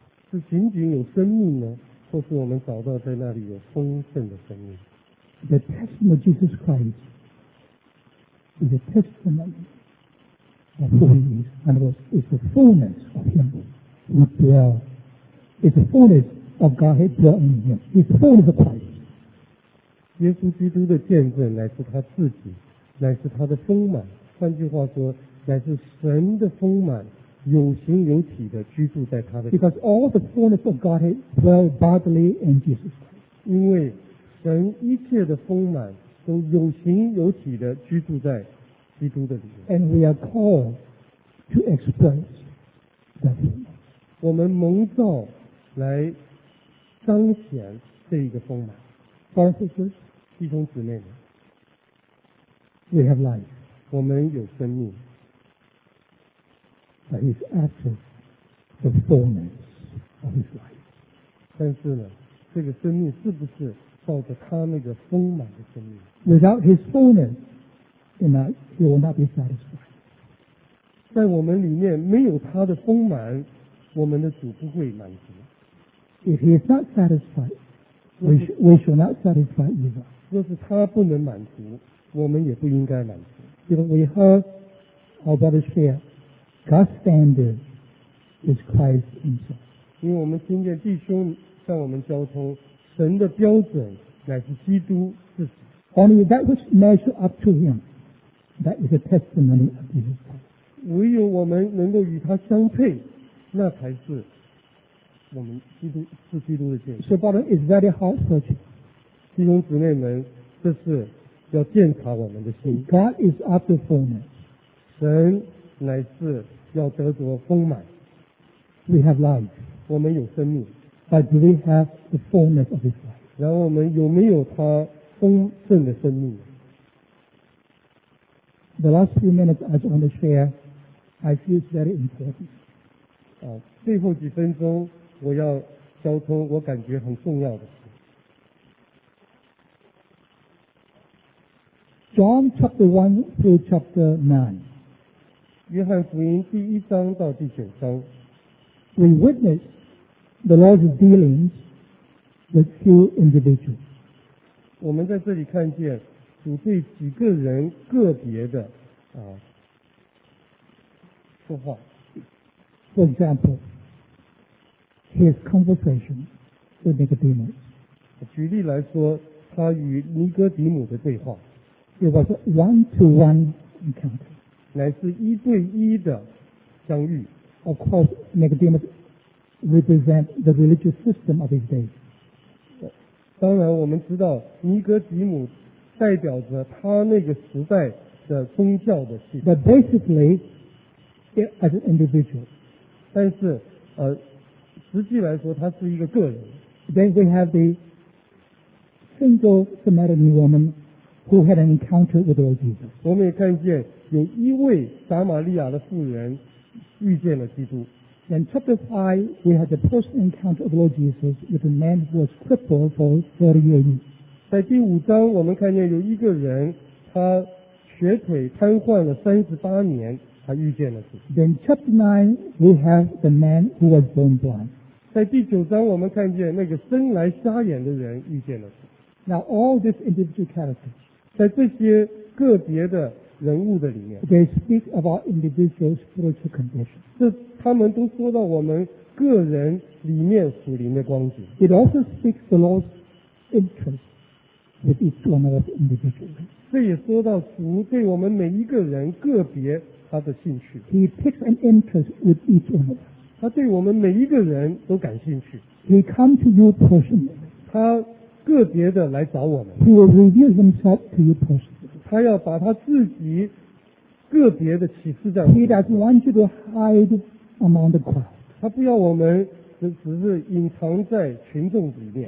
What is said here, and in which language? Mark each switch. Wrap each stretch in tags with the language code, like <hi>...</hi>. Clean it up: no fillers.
<zh>是仅仅有生命呢，或是我们找到在那里有丰盛的生命</zh> <en>？The testimony of Jesus Christ is the testimony of who He is, and is the fullness of Him who dwells. It's the fullness of Godhead dwelling in Him. It's the fullness of Christ.</en> <zh>耶稣基督的见证乃是他自己，乃是他的丰满。换句话说，乃是神的丰满。有形有体的居住在他的</zh> <en>Because all the fullness of Godhead dwell bodily in Jesus Christ.</en> <zh>因为神一切的丰满都有形有体的居住在基督的里面。</zh> <en>And we are called to express that fullness.</en> <zh>我们蒙召来彰显这一个丰满。</zh> <en>Sisters,</en> <zh>弟兄姊妹们</zh> <en>We have life.</en> <zh>我们有生命。</zh> <en>But he's after the fullness of his life.</en> <zh>但是呢，这个生命是不是照着他那个丰满的生命</zh> <en>？Without his fullness, then he will not be satisfied.</en> <zh>在我们里面没有他的丰满，我们的主不会满足。</zh> <en>If he is not satisfied, we shall not satisfy either.</en> <zh>若是他不能满足，我们也不应该满足。</zh> <en>Because we heard our brother share. God's standard is Christ Himself.</en> <zh>因为我们听见弟兄向我们交通，神的标准乃是基督自己。</zh> <en>Only that which measures up to Him, that is a testimony of Jesus Christ.</en> <zh>唯有我们能够与他相配，那才是我们基督是基督的见证。</zh> <en>So, brother, it's very hard searching.</en> <zh>弟兄姊妹们，这是要鉴察我们的心。</zh> <en>God is after fullness.</en> <zh>神乃是要得着丰满。</zh> <en>We have life.</en> <zh>我们有生命。</zh> <en>But do we have the fullness of His life?</en> <zh>然后我们有没有他丰盛的生命</zh> <en>？The last few minutes I just want to share, I feel it's very important.</en> <zh>最后几分钟我要交通我感觉很重要的事。</zh> <en>John chapter 1 through chapter 9.</en> <zh>约翰福音第一章到第九章。</zh> <en>We witness the Lord's dealings with few individuals.</en> <zh>我们在这里看见主对几个人个别的说话。</zh> <en>For example, his conversation with Nicodemus.</en> <zh>举例来说，他与尼哥底母的对话。</zh> <en>It was a one-to-one encounter.</en> <zh>乃是一对一的相遇。</zh> <en>Of course, Nicodemus represents the religious system of his day.</en> <zh>当然，我们知道尼哥底母代表着他那个时代的宗教的系统。</zh> <en>But basically, as an individual.</en> <zh>但是，实际来说，他是一个个人。</zh> <en>Then we have the single Samaritan woman who had an encounter with the Lord Jesus.</en> <zh>我们也看见有一位撒玛利亚的妇人遇见了基督。</zh> <en>In chapter 5, we had the personal encounter of the Lord Jesus with a man who was crippled for 38 years.</en> <zh>在第五章，我们看见有一个人，他瘸腿瘫痪了38年。他遇见了主。</zh> <en>Then chapter 9, we have the man who was born blind.</en> <zh>在第九章我们看见那个生来瞎眼的人遇见了主。</zh> <en>Now all these individual characters,</en> <zh>在这些个别的人物的里面，</zh> <en>they speak about individual spiritual condition.</en> <zh>这他们都说到我们个人里面属灵的光景。</zh> <en>It also speaks the Lord's interest with each one of us individually.</en> <zh>这也说到主对我们每一个人个别他的兴趣。</zh> <en>He takes an interest with each one of us.</en> <zh>他对我们每一个人都感兴趣。</zh> <en>He comes to you personally.</en> <zh>他个别的来找我们。</zh> <en>He will reveal himself to you personally.</en> <zh>他要把他自己个别的启示在。</zh> <en>He doesn't want you to hide among the crowd.</en> <zh>他不要我们只是隐藏在群众里面。</zh>